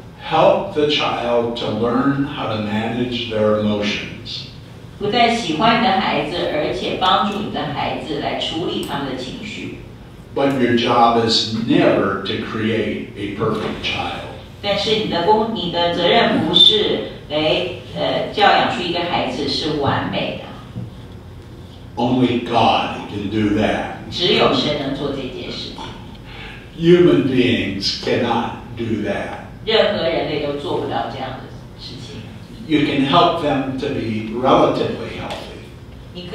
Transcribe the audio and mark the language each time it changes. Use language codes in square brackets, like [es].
[en] Help the child to learn how to manage their emotions. [zh] 不再喜欢你的孩子，而且帮助你的孩子来处理他们的情绪。 [en] But your job is never to create a perfect child. [zh] 但是你的责任不是来教养出一个孩子是完美的。 [en] Only God can do that. [zh] 只有神能做这件事情。 [en] Human beings cannot do that. [zh] 任何人类都做不到这样的事情。 [en] You can help them to be relatively healthy.